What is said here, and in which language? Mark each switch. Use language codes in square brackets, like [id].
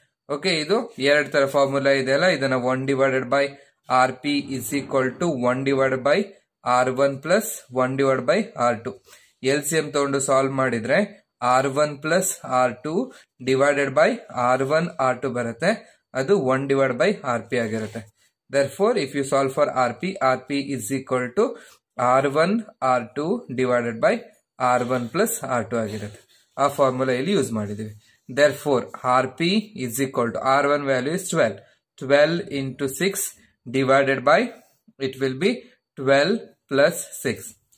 [kn] Okay, ಇದು ಎರಡ್ ತರ ಫಾರ್ಮುಲಾ ಇದೆ ಅಲ್ಲ, ಇದನ್ನ 1 ÷ RP [en] is equal to [kn] 1 ÷ R1 plus 1 ÷ R2. LCM ತಗೊಂಡು ಸಾಲ್ವ್ ಮಾಡಿದ್ರೆ R1 plus R2 ÷ R1 R2 ಬರುತ್ತೆ, ಅದು 1 ÷ RP ಆಗಿರುತ್ತೆ. [en] Therefore if you solve for RP, RP is equal to R1 ÷ R2 ÷ R1 plus R2 ಆಗಿರುತ್ತೆ. [kn] ಆ ಫಾರ್ಮುಲಾ ಇಲ್ಲಿ use ಮಾಡಿದೀವಿ. [en] Therefore RP is equal to R1 value is 12 × 6 ÷ it will be 12 + 6.